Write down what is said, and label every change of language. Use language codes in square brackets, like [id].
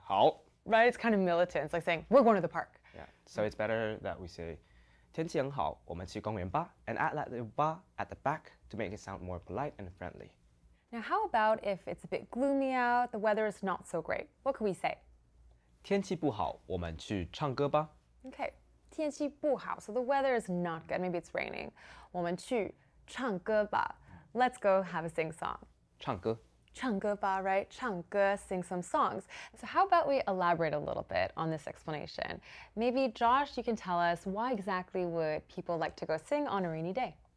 [zh] 好. [en] Right, it's kind of militant. It's like saying, we're going to the park. So it's better that we say, [zh] 天气很好,我们去公园吧, [en] and add that little ba at the back to make it sound more polite and friendly. Now how about if it's a bit gloomy out, the weather is not so great, what can we say? [zh] 天气不好,我们去唱歌吧。 [en] Okay, [zh] 天气不好, [en] so the weather is not good, maybe it's raining. [zh] 我们去唱歌吧。 [en] Let's go have a sing song. [zh] 唱歌。 [en] 唱歌吧 right? 唱歌 sing some songs. So how about we elaborate a little bit on this explanation? Maybe Josh, you can tell us why exactly would people like to go sing on a rainy day?